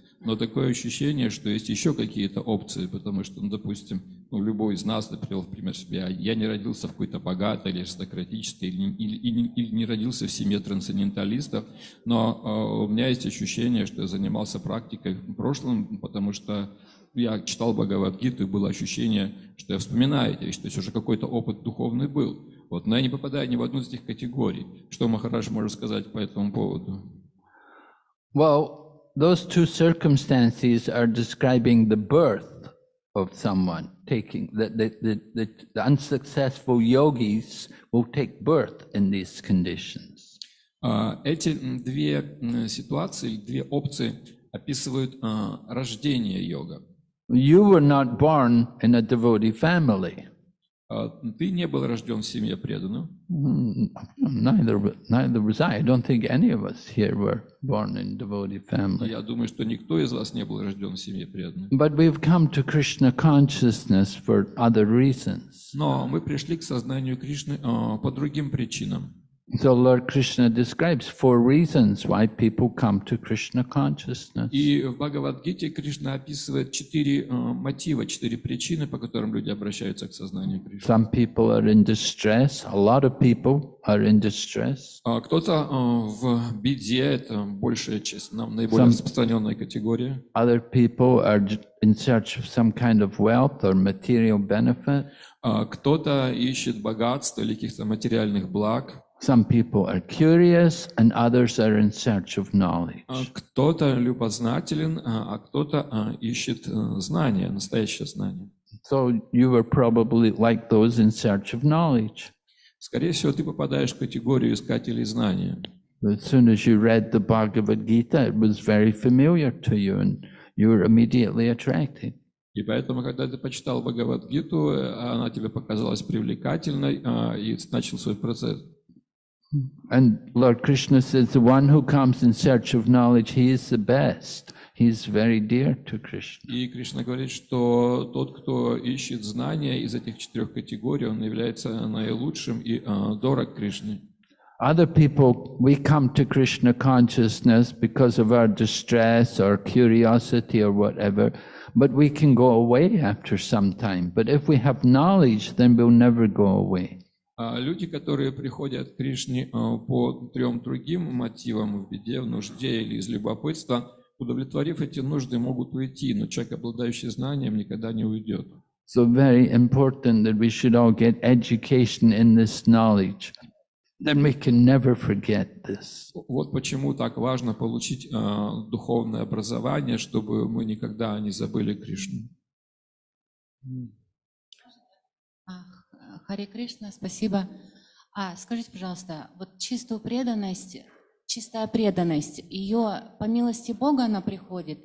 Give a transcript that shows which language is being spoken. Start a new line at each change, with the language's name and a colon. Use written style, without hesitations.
Russian: Но такое ощущение, что есть еще какие-то опции, потому что, ну, допустим, ну, любой из нас, например, в пример себя, я не родился в какой-то богатой или аристократической, или не родился в семье трансценденталистов, но у меня есть ощущение, что я занимался практикой в прошлом, потому что я читал Бхагавад-гиту, и было ощущение, что я вспоминаю эти вещи, то есть уже какой-то опыт духовный был. Вот. Но я не попадаю ни в одну из этих категорий. Что Махарадж может сказать по этому поводу?
English: Well, those two circumstances are describing the birth of someone taking, the unsuccessful yogis will take birth in these conditions.
Russian: Эти две ситуации, две опции описывают рождение йога.
English: You were not born in a devotee family.
Russian: Ты не был рожден в семье преданного.
English: Neither was I. I don't think any of us here were born in devotee family.
Russian: Я думаю, что никто из вас не был рожден в семье преданного.
English: But we've come to Krishna consciousness for other reasons.
Russian: Но мы пришли к сознанию Кришны по другим причинам.
English: So Lord Krishna describes four reasons why people come to Krishna consciousness.
Russian: И в Бхагавад-гите Кришна описывает четыре мотива, четыре причины, по которым люди обращаются к сознанию Кришны.
English: Some people are in distress, a lot of people are in distress.
Russian: Кто-то в беде, это большая часть, наиболее распространенная категория.
English: Other people are in search of some kind of wealth or material benefit.
Russian: Кто-то ищет богатство или каких-то материальных благ.
English: Some people are curious, and others are in search of knowledge.
Russian: Кто-то любознателен, а кто-то ищет знания, настоящее знание.
English: So you were probably like those in search of knowledge.
Russian: Скорее всего, ты попадаешь в категорию искателей знания.
English: But as soon as you read the Bhagavad Gita, it was very familiar to you, and you were immediately attracted.
Russian: И поэтому, когда ты почитал Бхагавад-гиту, она тебе показалась привлекательной, и начал свой процесс.
English: And Lord Krishna says, the one who comes in search of knowledge, he is the best. He is very dear to Krishna.
Russian: И Кришна говорит, что тот, кто ищет знания из этих четырех категорий, он является наилучшим и дорог Кришне.
English: Other people, we come to Krishna consciousness because of our distress or curiosity or whatever. But we can go away after some time. But if we have knowledge, then we'll never go away.
Russian: Люди, которые приходят к Кришне по трем другим мотивам, в беде, в нужде или из любопытства, удовлетворив эти нужды, могут уйти, но человек, обладающий знанием, никогда не уйдет.
English: So very important that we should all get education in this knowledge. Then we can never forget this.
Russian: Вот почему так важно получить духовное образование, чтобы мы никогда не забыли Кришну. Харе Кришна, спасибо. Скажите, пожалуйста, вот чистая преданность, ее по милости Бога она приходит?